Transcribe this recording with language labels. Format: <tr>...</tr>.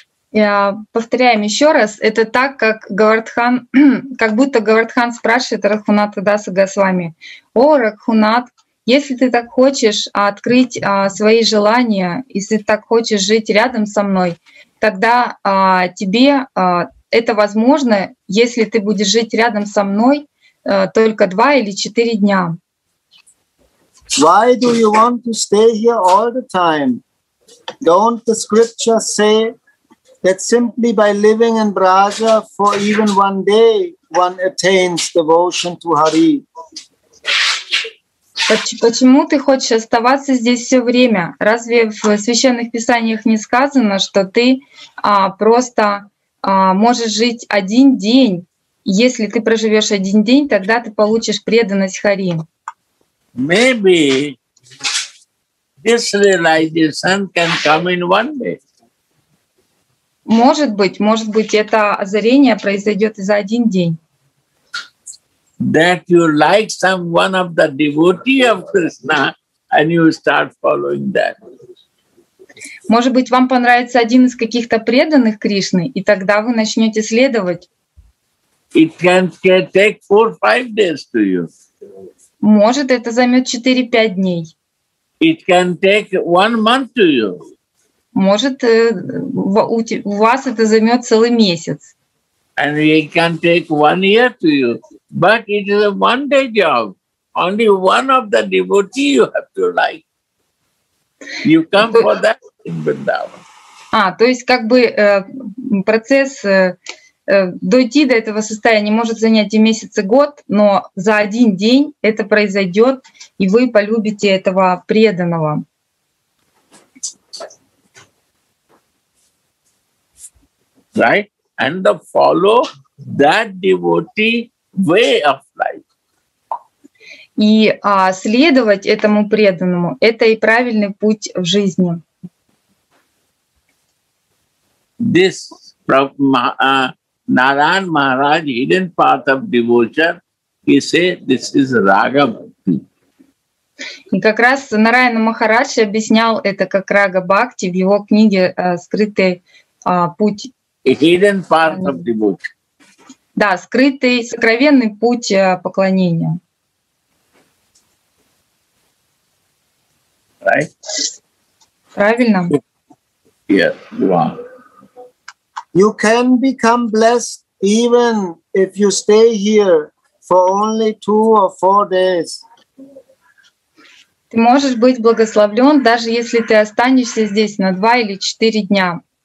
<ru>Я повторяю еще раз, это так, как Гавардхан, как будто Гавардхан спрашивает Рагхунатха Даса Госвами: «О, Рагхунат, если ты так хочешь открыть свои желания, если ты так хочешь жить рядом со мной, тогда тебе это возможно, если ты будешь жить рядом со мной только 2 или 4 дня».</ru> <en>Why do you want to stay here all the time? Don't the scriptures say that simply by living in Braja for even one day one attains devotion to Hari?</en> <ru>Почему ты хочешь оставаться здесь все время? Разве в священных писаниях не сказано, что ты просто можешь жить один день? Если ты проживешь один день, тогда ты получишь преданность Хари.</ru> <en>Maybe this realization can come in one day.</en> <ru>Может быть, это озарение произойдет за один день.</ru> <en>That you like some one of the devotee of Krishna and you start following that.</en> <ru>Может быть, вам понравится один из каких-то преданных Кришны, и тогда вы начнете следовать.</ru> <en>It can take 4 or 5 days to you.</en> <ru>Может, это займет 4-5 дней.</ru> <en>It can take 1 month to you.</en> <ru>Может, у вас это займет целый месяц.</ru> <en>And it can take 1 year to you. But it is a one-day job. Only one of the devotees you have to like. You come for that in Vrindavan.</en> <ru>То есть как бы процесс дойти до этого состояния может занять и месяц, и год, но за один день это произойдет, и вы полюбите этого преданного.</ru> <en>Right? And the follow that devotee way of life.</en> <ru>И следовать этому преданному — это и правильный путь в жизни.</ru> <en>This Narayan Maharaj, hidden part of devotion, he said, this is Raga Bhakti.</en> <ru>И как раз Нараян Махарадж объяснял это как Рага Бхакти в его книге «Скрытый путь».</ru> <en>Hidden part of devotion.</en> <ru>Да, скрытый, сокровенный путь поклонения.</ru> <en>Right?</en> <ru>Правильно?</ru> <en>Yes, you can become blessed even if you stay here for only 2 or 4 days.</en> <ru>Ты можешь быть благословлен, даже если ты останешься здесь на 2 или 4 дня.</ru>